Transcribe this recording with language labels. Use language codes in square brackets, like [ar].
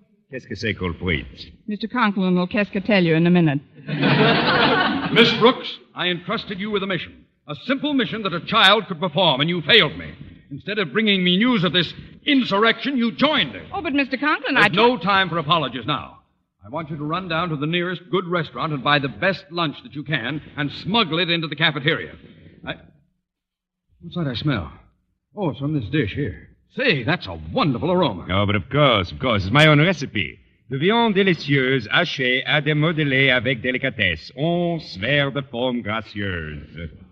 [fr] Qu'est-ce que c'est, culprit? [en] Mr. Conklin will [fr] qu'est-ce que [en] tell you in a minute. Miss Brooks, I entrusted you with a mission. A simple mission that a child could perform, and you failed me. Instead of bringing me news of this insurrection, you joined it. Oh, but Mr. Conklin, there's no time for apologies now. I want you to run down to the nearest good restaurant and buy the best lunch that you can and smuggle it into the cafeteria. What's that I smell? Oh, it's from this dish here. Say, that's a wonderful aroma. Oh, but of course. It's my own recipe. [fr] The viande délicieuse hachée à démodeler avec délicatesse. On sphère de forme gracieuse.